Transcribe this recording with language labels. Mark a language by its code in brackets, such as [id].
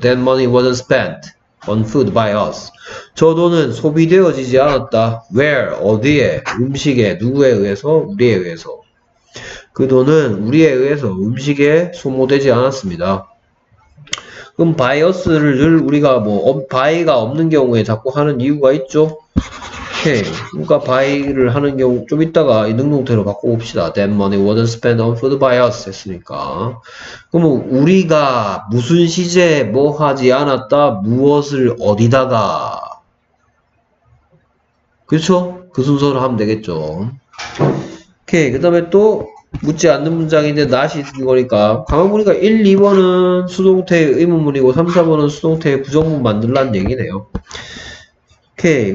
[en] That money wasn't spent on food by us. [ko] 저 돈은 소비되어지지 않았다. [en] Where? [ko] 어디에? 음식에? 누구에 의해서? 우리에 의해서. 그 돈은 우리에 의해서 음식에 소모되지 않았습니다. 그럼 by us를 늘 우리가 by가 없는 경우에 자꾸 하는 이유가 있죠. 오케이. 그러니까 by를 하는 경우 좀 이따가 능동태로 바꿔봅시다. [en] That money wasn't spent on food by us [ko] 했으니까. 그러면 우리가 무슨 시제에 뭐 하지 않았다? 무엇을 어디다가? 그렇죠? 그 순서로 하면 되겠죠. 오케이. 그 다음에 또 묻지 않는 문장인데 not이 있는 거니까 가만 보니까 1, 2번은 수동태의 의문문이고 3, 4번은 수동태의 부정문 만들라는 얘기네요. 오케이.